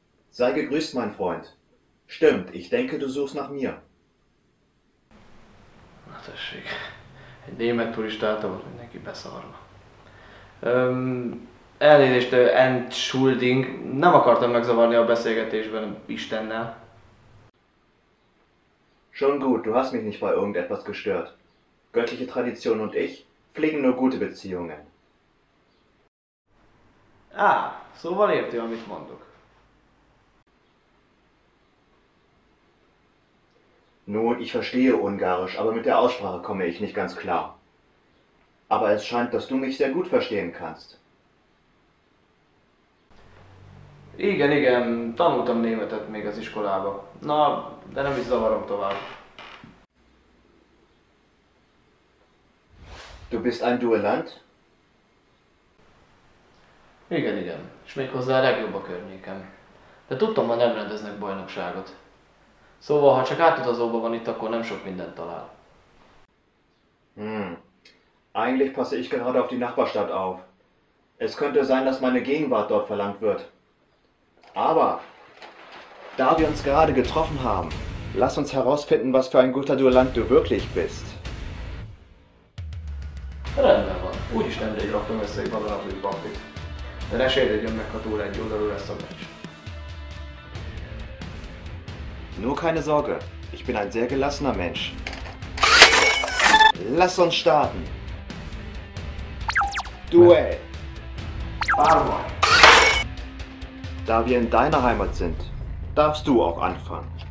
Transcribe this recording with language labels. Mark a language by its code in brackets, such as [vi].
[de] Sei gegrüßt, mein Freund. Stimmt, ich denke, du suchst nach mir. [hu] Na tessék. Egy német turistát, ahol mindenki beszarva. Elnézést, [de] Entschuldigung. [hu] Nem akartam megzavarni a beszélgetésben Istennel. [de] Schon gut, du hast mich nicht bei irgendetwas gestört. Göttliche Tradition und ich pflegen nur gute Beziehungen. [hu] Ah, szóval érti, amit mondok. [de] Nun, ich verstehe Ungarisch, aber mit der Aussprache komme ich nicht ganz klar. Aber es scheint, dass du mich sehr gut verstehen kannst. [hu] Igen, igen, tanultam németet még az iskolába. Na, de nem is zavarom tovább. [de] Du bist ein Duellant? [hu] Igen, igen. És méghozzá a legjobb a környéken. De tudtam, hogy nem rendeznek bajnokságot. Szóval, ha csak átutazóban van itt, akkor nem sok mindent talál. [de] Eigentlich passe ich gerade auf die Nachbarstadt auf. Es könnte sein, dass meine Gegenwart dort verlangt wird. Aber, da wir uns gerade getroffen haben, lass uns herausfinden, was für ein guter Duellant du wirklich bist. [hu] Rendben van, úgyis nemrég raktam össze egy vadonatúj papit. De ne sérüljön meg, ha túl egy oldalú lesz a meccs. [de] Nur keine Sorge, ich bin ein sehr gelassener Mensch. Lass uns starten! Duell! Barba! Da wir in deiner Heimat sind, darfst du auch anfangen.